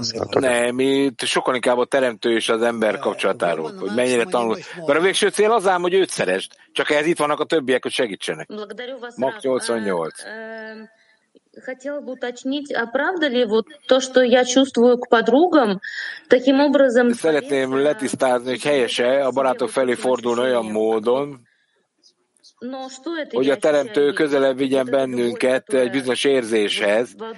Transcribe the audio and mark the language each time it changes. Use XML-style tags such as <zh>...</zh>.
<hu>Nem, itt sokkal inkább a teremtő és az ember kapcsolatáról, hogy mennyire tanul. Mert a végső cél az ám, hogy őt szeresd, csak ehhez itt vannak a többiek, hogy segítsenek. Mak 88.</hu> <ru>Хотела бы уточнить, а правда ли вот то, что я чувствую к подругам, таким образом...</ru> <hu>Szeretném letisztázni, hogy helyese a barátok felé fordulni olyan módon, hogy a teremtő közelebb vigyen bennünket egy bizonyos érzéshez.</hu>